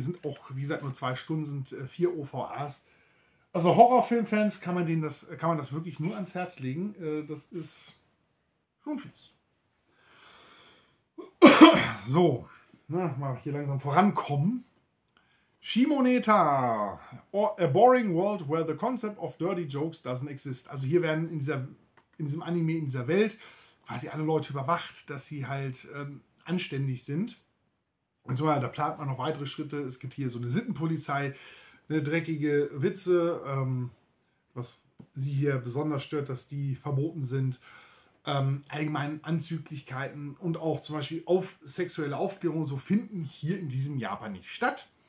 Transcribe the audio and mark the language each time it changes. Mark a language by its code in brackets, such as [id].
[de] Sind auch, wie gesagt, nur 2 Stunden, sind 4 OVAs. Also Horrorfilmfans kann man das wirklich nur ans Herz legen. Das ist schon fies. So, na, mal hier langsam vorankommen. [en] Shimoneta, a boring world where the concept of dirty jokes doesn't exist. [de] Also hier werden in dieser Welt quasi alle Leute überwacht, dass sie halt anständig sind. Und so, ja, da plant man noch weitere Schritte. Es gibt hier so eine Sittenpolizei, eine dreckige Witze, was sie hier besonders stört, dass die verboten sind. Allgemeinen Anzüglichkeiten und auch zum Beispiel auf sexuelle Aufklärung so finden hier in diesem Japan nicht statt.